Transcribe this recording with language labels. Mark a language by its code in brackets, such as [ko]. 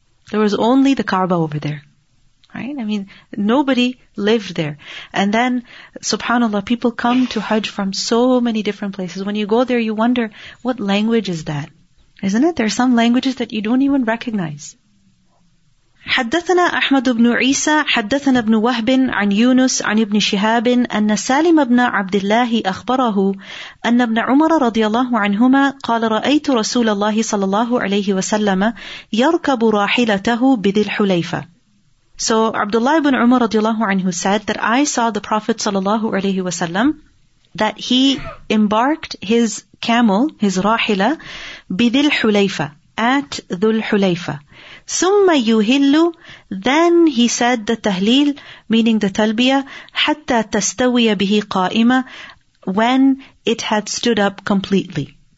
[en] There was only the Kaaba over there. Right? I mean, nobody lived there. And then, subhanAllah, people come to Hajj from so many different places. When you go there, you wonder, what language is that? Isn't it? There are some languages that you don't even recognize. [ar] حدثنا أحمد بن عيسى حدثنا ابن وهب عن يونس عن ابن شهاب أن سالم بن عبد الله أخبره أن ابن عمر رضي الله عنهما قال رأيت رسول الله صلى الله عليه وسلم يركب راحلته بذي الحليفة. [en] So Abdullah ibn Umar radiallahu anhu said that I saw the Prophet sallallahu alayhi wa sallam that he embarked his camel, his rahila, bidil hulayfa, at dhul hulayfa. [ar] Summa yuhillu, [en] then he said the tahleel, meaning the talbiyah, [ar] hatta tastawiya bihi qa'ima, [en] when it had stood up completely.